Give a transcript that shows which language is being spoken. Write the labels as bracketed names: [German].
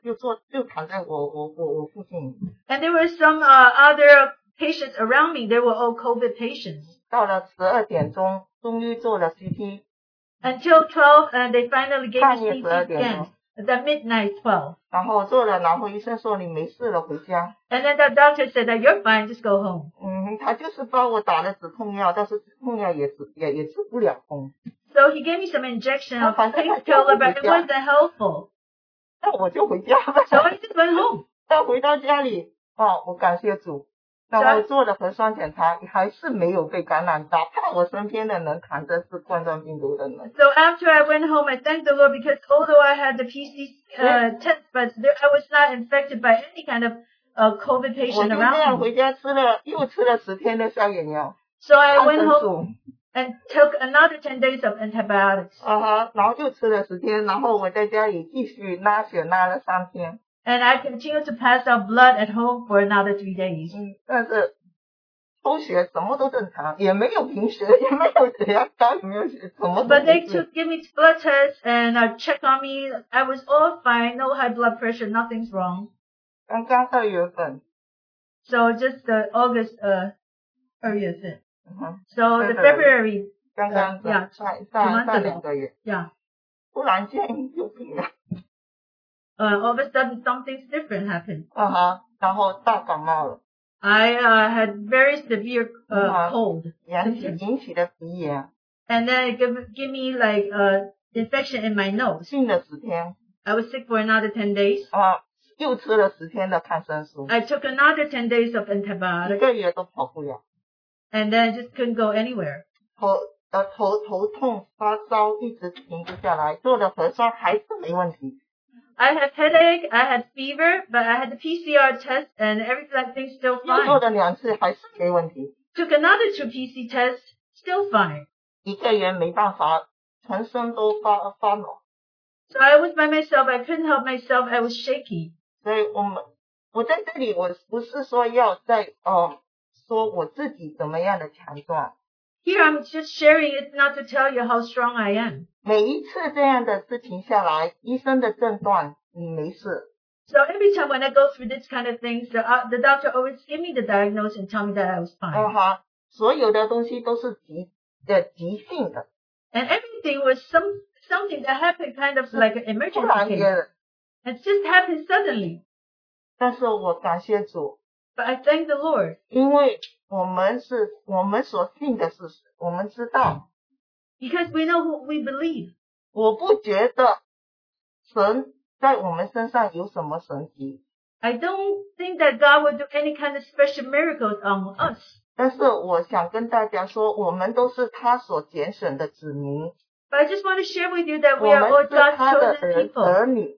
[Chinese] 就是冠状病毒的患者就躺在我附近。 [English] And there were some other patients around me. They were all COVID patients. [Chinese] 到了十二点钟，终于做了 CT。 [English] Until 12, and they finally gave me CT again. That midnight 12. [Chinese] 然后做了，然后医生说你没事了，回家。 [English] And then the doctor said that you're fine, just go home. [Chinese] 嗯，他就是帮我打了止痛药，但是止痛药也止不了痛。 [English] So he gave me some injection of painkiller, but it wasn't helpful. [Chinese] 那我就回家吧。 [English] So I just went home. [Chinese] 但回到家里，哦，我感谢主。那我做了核酸检查，还是没有被感染到，怕我身边的人扛的是冠状病毒的人。 [English] So after I went home, I thanked the Lord because although I had the PCR test, but there, I was not infected by any kind of COVID patient around me. [Chinese] 我就这样回家吃了，又吃了十天的消炎药。 [English] So I went home and took another 10 days of antibiotics. [Chinese] 然后就吃了十天，然后我在家里继续拉血拉了三天。 [English] And I continue to pass out blood at home for another 3 days. [Chinese] 但是抽血什么都正常，也没有贫血，也没有血压高，也没有血，什么都没事。 [English] But they give me blood tests and check on me. I was all fine, no high blood pressure, nothing's wrong. [Chinese] 刚刚二月份。 [English] So just August [Chinese] 二月份。 [English] So the February. [Chinese] 刚刚的。上两个月。 [English] Yeah. [Chinese] 突然间有病了。 [English] All of a sudden, something different happened. [Chinese] 然后大感冒了。 [English] I had very severe cold. [Chinese] 引起的鼻炎。 [English] And then it gave me like a infection in my nose. [Chinese] 病了十天。 [English] I was sick for another 10 days. [Chinese] 又吃了十天的抗生素。 [English] I took another 10 days of antibiotics. [Chinese] 一个月都跑不了。 [English] And then I just couldn't go anywhere. [Chinese] 头痛发烧一直停不下来，做了核酸还是没问题。 [English] I had headache, I had fever, but I had the PCR test and everything's still fine. [Chinese] 又做了两次还是没问题。 [English] Took another 2 PC tests, still fine. [Chinese] 一个人没办法，全身都发冷。 [English] So I was by myself, I couldn't help myself, I was shaky. [Chinese] 所以我在这里我不是说要在说我自己怎么样的强壮。 [English] Here I'm just sharing it not to tell you how strong I am. [Chinese] 每一次这样的事情下来，医生的诊断你没事。 [English] So every time when I go through this kind of thing, the doctor always give me the diagnosis and tell me that I was fine. [Chinese] 所有的东西都是急性的。 [English] And everything was something that happened kind of like an emergency case. It just happened suddenly. [Chinese] 但是我感谢主。 [English] But I thank the Lord. [Chinese] 因为我们所信的事实，我们知道。 [English] Because we know what we believe. [Chinese] 我不觉得神在我们身上有什么神迹。 [English] I don't think that God would do any kind of special miracles on us. [Chinese] 但是我想跟大家说，我们都是他所拣选的子民。 [English] But I just want to share with you that we are all God's chosen people.